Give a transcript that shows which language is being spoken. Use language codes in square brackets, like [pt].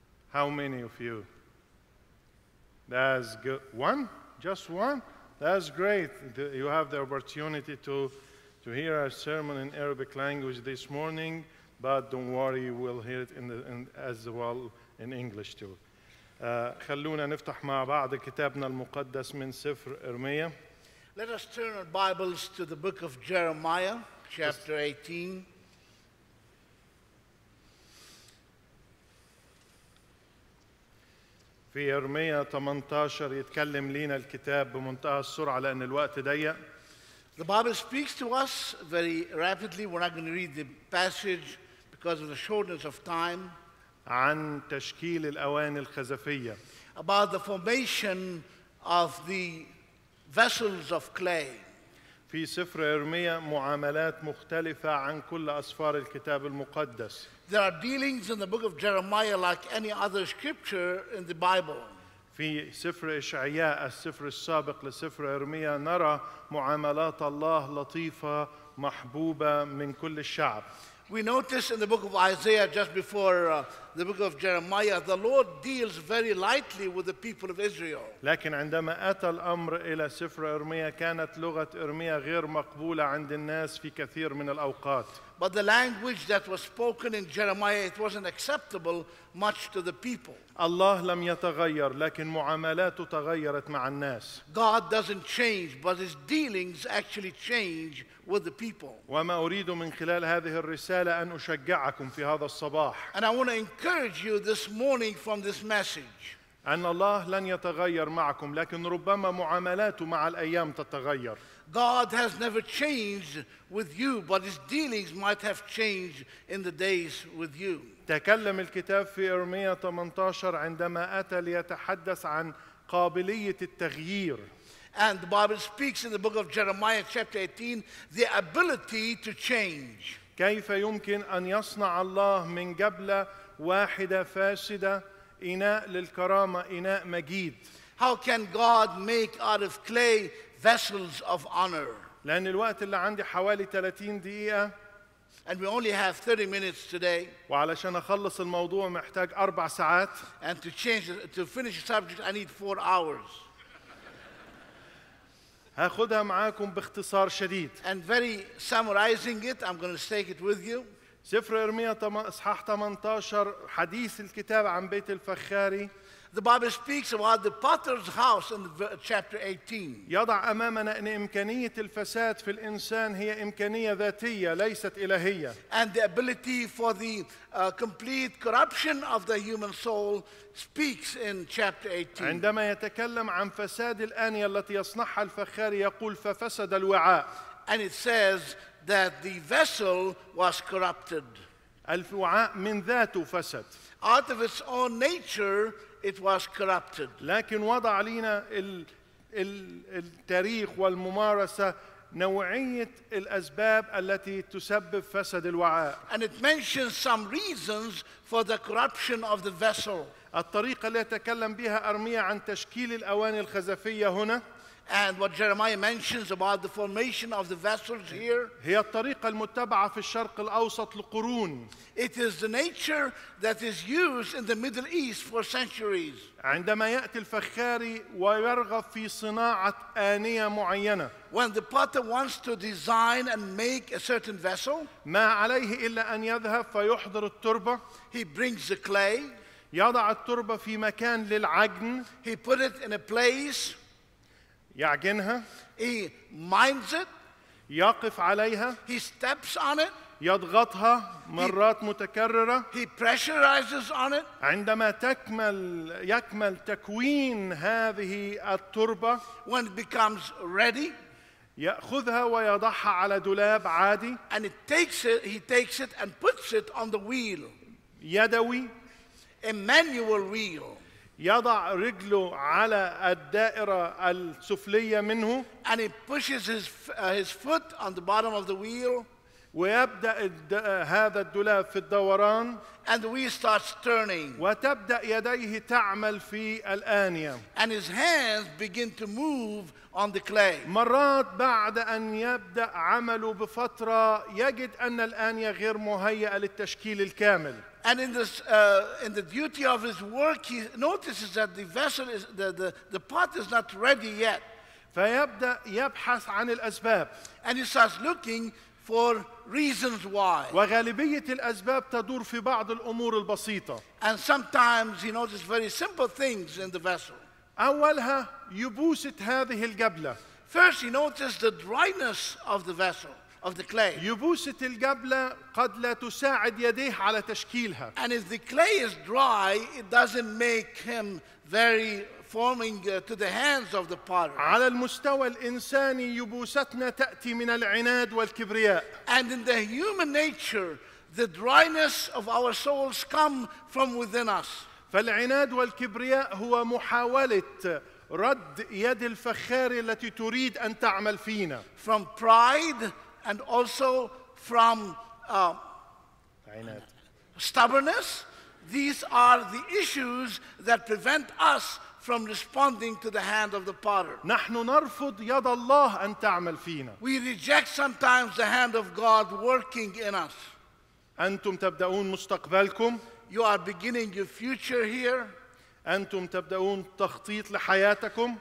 [en] How many of you? That's good. One? Just one? That's great. You have the opportunity to hear a sermon in Arabic language this morning, but don't worry, you will hear it as well in English too. [ar] خلونا نفتح مع بعض كتابنا المقدس من سفر إرميا. [en] Let us turn our Bibles to the book of Jeremiah, chapter 18. [ar] في إرميا 18 يتكلم لنا الكتاب بمنتهى السرعة لأن الوقت ضيق. [en] The Bible speaks to us very rapidly. We're not going to read the passage because of the shortness of time. [ar] عن تشكيل الأواني الخزفية. [en] About the formation of the vessels of clay. [ar] في سفر إرميا معاملات مختلفة عن كل أسفار الكتاب المقدس. [en] There are dealings in the book of Jeremiah like any other scripture in the Bible. [ar] في سفر إشعياء السفر السابق لسفر إرميا نرى معاملات الله لطيفة محبوبة من كل الشعب. [en] We notice in the book of Isaiah, just before the book of Jeremiah, the Lord deals very lightly with the people of Israel. [ar] لكن عندما أتى الأمر إلى سفر إرميا كانت لغة إرميا غير مقبولة عند الناس في كثير من الأوقات. [en] But the language that was spoken in Jeremiah, it wasn't acceptable much to the people. [ar] الله لم يتغير لكن معاملاته تغيرت مع الناس. [en] God doesn't change, but his dealings actually change with the people. [ar] وما أريد من خلال هذه الرسالة أن أشجعكم في هذا الصباح. [en] And I want to encourage you this morning from this message. [ar] أن الله لن يتغير معكم لكن ربما معاملاته مع الأيام تتغير. [en] God has never changed with you, but his dealings might have changed in the days with you. [ar] تكلم الكتاب في إرميا 18 عندما أتى ليتحدث عن قابلية التغيير. [en] And the Bible speaks in the book of Jeremiah chapter 18 the ability to change. [ar] كيف يمكن أن يصنع الله من قبل واحدة فاسدة إناء للكرامة إناء مجيد. [en] How can God make out of clay vessels of honor? [ar] لأن الوقت اللي عندي حوالي 30 دقيقة. [en] And we only have 30 minutes today. [ar] وعلشان أخلص الموضوع محتاج أربع ساعات. [en] And to finish the subject, I need 4 hours. [ar] هاخدها معاكم باختصار شديد. [en] And very summarizing it, I'm going to take it with you. [ar] سفر إرميا إصحاح 18 حديث الكتاب عن بيت الفخاري. [en] The Bible speaks about the potter's house in chapter 18. [ar] يضع أمامنا أن إمكانية الفساد في الإنسان هي إمكانية ذاتية ليست إلهية. [en] And the ability for the complete corruption of the human soul speaks in chapter 18. [ar] عندما يتكلم عن فساد الآنية التي يصنعها الفخاري يقول ففسد الوعاء. [en] And it says that the vessel was corrupted. [ar] الوعاء من ذاته فسد. [en] Out of its own nature, it was corrupted. [ar] لكن وضع لنا التاريخ والممارسة نوعية الأسباب التي تسبب فسد الوعاء. [en] And it mentions some reasons for the corruption of the vessel. [ar] الطريقة اللي يتكلم بها إرميا عن تشكيل الأواني الخزفية هنا. [en] And what Jeremiah mentions about the formation of the vessels here. [ar] هي الطريقة المتبعة في الشرق الأوسط لقرون. [en] It is the nature that is used in the Middle East for centuries. [ar] عندما يأتي الفخاري ويرغب في صناعة آنية معينة. [en] When the potter wants to design and make a certain vessel. [ar] ما عليه إلا أن يذهب فيحضر التربة. [en] He brings the clay. [ar] يضع التربة في مكان للعجن. [en] He put it in a place. [ar] يعجنها. [en] He mines it. [ar] يقف عليها. [en] He steps on it. [ar] يضغطها مرات متكررة. [en] He pressurizes on it. [ar] عندما يكمل تكوين هذه التربة. [en] When it becomes ready. [ar] يأخذها ويضعها على دولاب عادي. [en] And it takes it. He takes it and puts it on the wheel. [ar] يدوي. [en] A manual wheel. [ar] يضع رجله على الدائرة السفلية منه. [en] And he pushes his foot on the bottom of the wheel. [ar] ويبدأ هذا الدولاب في الدوران. [en] And the wheel starts turning. [ar] وتبدأ يديه تعمل في الآنية. [en] And his hands begin to move on the clay. [ar] مرات بعد أن يبدأ عمله بفترة يجد أن الآنية غير مهيئة للتشكيل الكامل. [en] And in the duty of his work, he notices that the vessel is the pot is not ready yet. [ar] فيبدأ يبحث عن الأسباب. [en] And he starts looking for reasons why. [ar] وغالبية الأسباب تدور في بعض الأمور البسيطة. [en] And sometimes he notices very simple things in the vessel. [ar] أولها يبوسة هذه القبلة. [en] First he notices the dryness of the vessel. Of the clay. [ar] يبوسة القبلة قد لا تساعد يديه على تشكيلها. [en] And if the clay is dry, it doesn't make him very forming to the hands of the potter. [ar] على المستوى الإنساني يبوستنا تأتي من العناد والكبرياء. [en] And in the human nature, the dryness of our souls come from within us. [ar] فالعناد والكبرياء هو محاولة رد يد الفخاري التي تريد أن تعمل فينا. [en] From pride. And also from stubbornness, these are the issues that prevent us from responding to the hand of the potter. [ar] نحن نرفض يد الله أن تعمل فينا. [en] We reject sometimes the hand of God working in us. [ar] أنتم تبدأون مستقبلكم. [en] You are beginning your future here. [ar] أنتم تبدأون تخطيط لحياتكم.